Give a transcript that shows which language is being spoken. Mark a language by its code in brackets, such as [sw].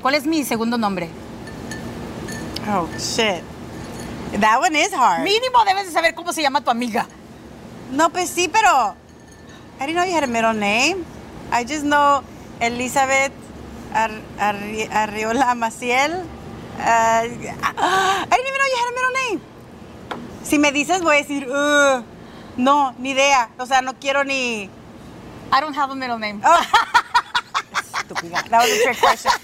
[es] ¿Cuál es mi segundo nombre? [en] Oh, shit. That one is hard. [es] Mínimo debes de saber cómo se llama tu amiga. No, pues sí, pero... [en] I didn't know you had a middle name. I just know Elizabeth Arriola Maciel. I didn't even know you had a middle name. [es] Si me dices, voy a decir, no, ni idea. O sea, no quiero ni... [en] I don't have a middle name. [es] Oh. Estúpida. [en] That was a trick question.